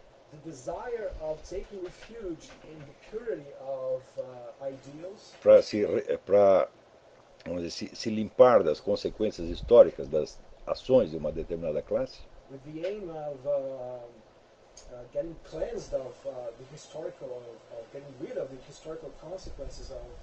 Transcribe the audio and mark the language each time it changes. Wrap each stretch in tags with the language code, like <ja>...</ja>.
<en>The desire of taking refuge in the purity of ideals.</en> <pt>Para se limpar das consequências históricas das ações de uma determinada classe.</pt> <en>With the aim of getting cleansed of the historical, of getting rid of the historical consequences of.</en>